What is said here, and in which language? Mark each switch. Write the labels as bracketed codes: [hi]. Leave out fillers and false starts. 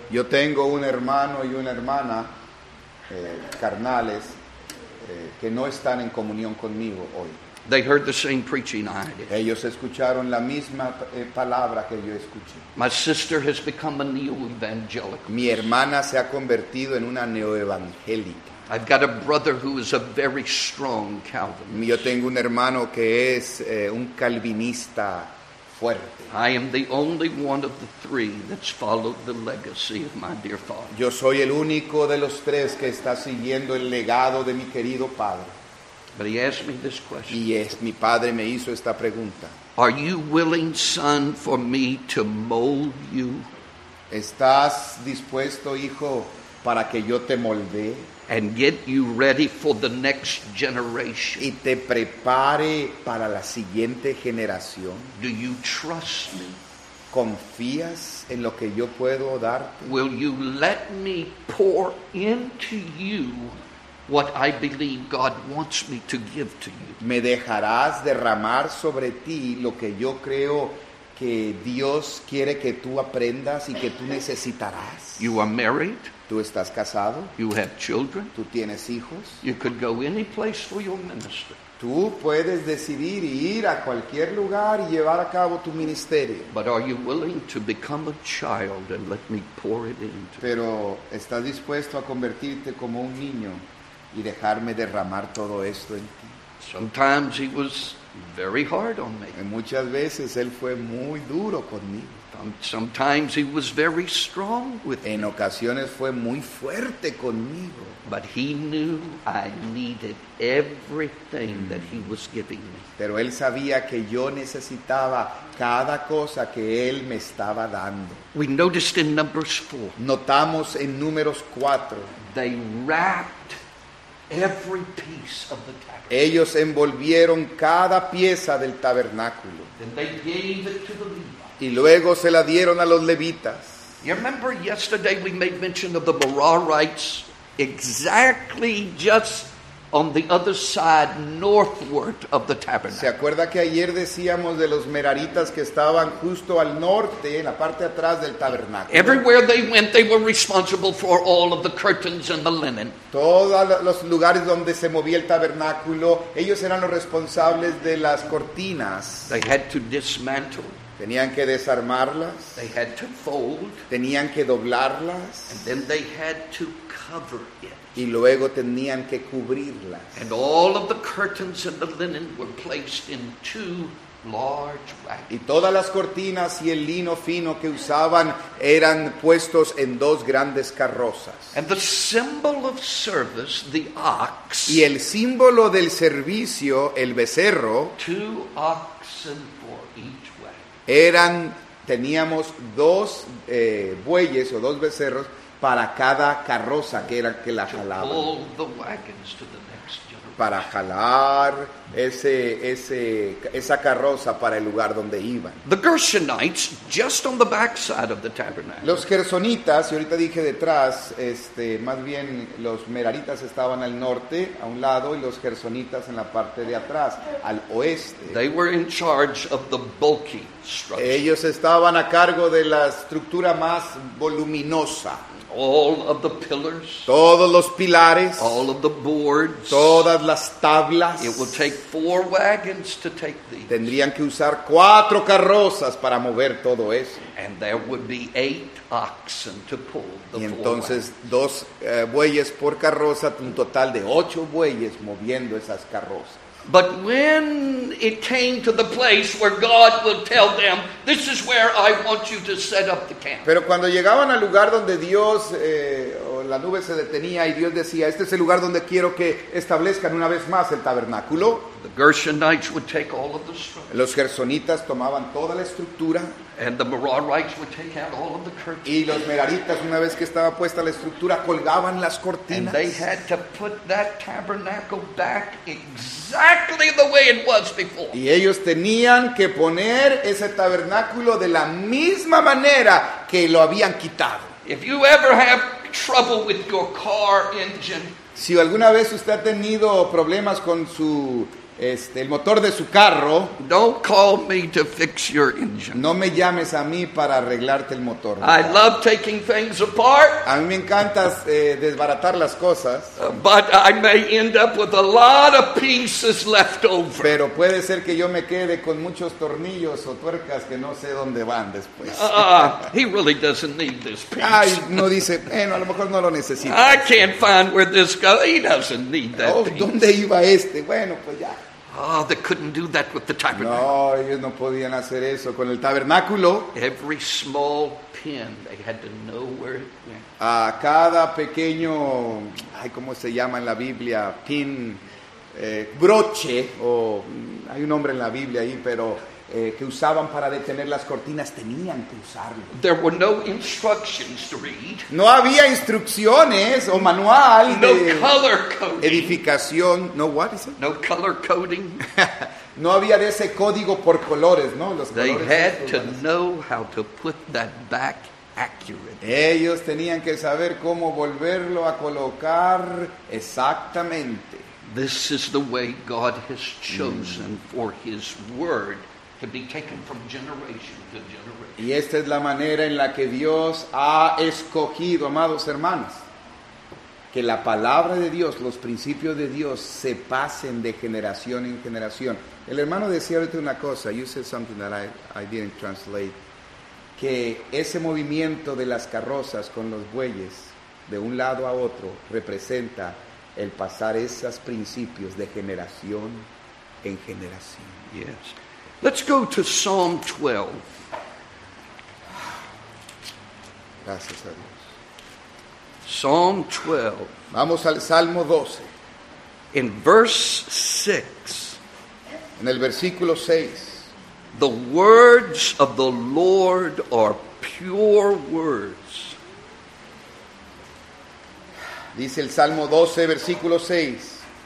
[es] Yo tengo un hermano y una hermana carnales que no están en comunión conmigo hoy. [en] They heard the same preaching I did. [es] Ellos escucharon la misma palabra que yo escuché. [en] My sister has become a neo-evangelical. [es] Mi hermana se ha convertido en una neoevangélica. [en] I've got a brother who is a very strong Calvinist. [es] Yo tengo un hermano que es un calvinista fuerte. [en] I am the only one of the three that's followed the legacy of my dear father. [es] Yo soy el único de los tres que está siguiendo el legado de mi querido padre. [en] But he asked me this question. [es] Mi padre me hizo esta pregunta. [en] Are you willing, son, for me to mold you? [es] ¿Estás dispuesto, hijo, para que yo te moldee? [en] And get you ready for the next generation. [es] Y te prepare para la siguiente generación. [en] Do you trust me? [es] ¿Confías en lo que yo puedo darte? [en] Will you let me pour into you what I believe God wants me to give to you? [es] ¿Me dejarás derramar sobre ti lo que yo creo que Dios quiere que tú aprendas y que tú necesitarás? [en] You are married. [es] Tú estás casado. [en] You have children. [es] Tú tienes hijos. [en] You could go any place for your ministry. [es] Tú puedes decidir ir a cualquier lugar y llevar a cabo tu ministerio. [en] But are you willing to become a child and let me pour it into? [es] Pero ¿estás dispuesto a convertirte como un niño y dejarme derramar todo esto en ti? [en] Sometimes he was very hard on me. [es] Y muchas veces él fue muy duro conmigo. [en] Sometimes he was very strong with me. [es] En ocasiones fue muy fuerte conmigo. [en] But he knew I needed everything that he was giving me. [es] Pero él sabía que yo necesitaba cada cosa que él me estaba dando. [en] We noticed in Numbers 4. [es] Notamos en Números 4. [en] They wrapped every piece of the tabernacle. [es] Ellos envolvieron cada pieza del tabernáculo. [en] Then they gave it to the Levites. [es] Y luego se la dieron a los levitas. [en] You remember yesterday we made mention of the Merarites exactly just on the other side northward of the tabernacle. [es] ¿Se acuerda que ayer decíamos de los meraritas que estaban justo al norte, en la parte atrás del tabernáculo? [en] Everywhere they went, they were responsible for all of the curtains and the linen. [es] Todos los lugares donde se movía el tabernáculo, ellos eran los responsables de las cortinas. [en] They had to dismantle. [es] Tenían que desarmarlas. [en] They had to fold. [es] Tenían que doblarlas. [en] And then they had to cover it. [es] Y luego tenían que cubrirlas. [en] And all of the curtains and the linen were placed in two large wagons. [es] Y todas las cortinas y el lino fino que usaban eran puestos en dos grandes carrozas. [en] And the symbol of service, the ox. [es] Y el símbolo del servicio, el becerro. [en] Two oxen for each wagon. [es] Eran, teníamos dos bueyes o dos becerros para cada carroza que era que la jalaba. [en] To pull the wagons to the next generation. [es] Para jalar esa carroza para el lugar donde iban. [en] The Gershonites, just on the back side of the tabernacle. [es] Los Gersonitas, y ahorita dije detrás, más bien los Meraritas estaban al norte, a un lado, y los Gersonitas en la parte de atrás, al oeste. [en] They were in charge of the bulky structure. [es] Ellos estaban a cargo de la estructura más voluminosa. [en] All of the pillars, [es] todos los pilares, [en] all of the boards, [es] todas las tablas. [en] It will take four wagons to take these. [es] Tendrían que usar cuatro carrozas para mover todo eso. [en] And there would be eight oxen to pull the four. [es] Y entonces dos bueyes por carroza, un total de ocho bueyes moviendo esas carrozas. [en] But when it came to the place where God will tell them, this is where I want you to set up the camp. [es] Pero cuando llegaban al lugar donde Dios, o la nube se detenía y Dios decía, este es el lugar donde quiero que establezcan una vez más el tabernáculo. [en] The Gershonites would take all of the structure. [es] Los Gersonitas tomaban toda la estructura. [en] And the Merarites would take out all of the curtains. [es] Y los Meraritas, una vez que estaba puesta la estructura, colgaban las cortinas. [en] And they had to put that tabernacle back exactly the way it was before. [es] Y ellos tenían que poner ese tabernáculo de la misma manera que lo habían quitado. [en] If you ever have trouble with your car engine, [es] si alguna vez usted ha tenido problemas con su el motor de su carro, [en] don't call me to fix your engine. [es] No me llames a mí para arreglarte el motor. [en] I love taking things apart. [es] A mí me encanta desbaratar las cosas. [en] But I may end up with a lot of pieces left over. [es] Pero puede ser que yo me quede con muchos tornillos o tuercas que no sé dónde van después. [en] He really doesn't need this piece. [es] Ay, no dice, bueno, a lo mejor no lo necesita. [en] I can't find where this goes. He doesn't need that piece. [es] ¿Dónde iba este? Bueno, pues ya. [en] Oh, they couldn't do that with the tabernacle. [es] No, ellos no podían hacer eso con el tabernáculo. [en] Every small pin, they had to know where it went. [es] A cada pequeño, ay, ¿cómo se llama en la Biblia? Pin, broche, o hay un nombre en la Biblia ahí, pero que usaban para detener las cortinas, tenían que usarlo. [en] There were no instructions to read. [es] No había instrucciones o manual. [en] No [es] de [en] color coding. [es] Edificación. [en] No, what is it? No color coding. [es] No había de ese código por colores, ¿no? Los [en] they [es] colores [en] had to know how to put that back accurately. [es] Ellos tenían que saber cómo volverlo a colocar exactamente. [en] This is the way God has chosen for his word to be taken from generation to generation. [es] Y esta es la manera en la que Dios ha escogido, amados hermanos, que la palabra de Dios, los principios de Dios, se pasen de generación en generación. El hermano decía ahorita una cosa, [en] you said something that I didn't translate, [es] que ese movimiento de las carrozas con los bueyes de un lado a otro representa el pasar esos principios de generación en generación. [en] Yes. Let's go to Psalm 12. [es] Gracias a Dios. [en] Psalm 12. [es] Vamos al Salmo 12. [en] In verse 6. [es] En el versículo 6. [en] The words of the Lord are pure words. [es] Dice el Salmo 12, versículo 6.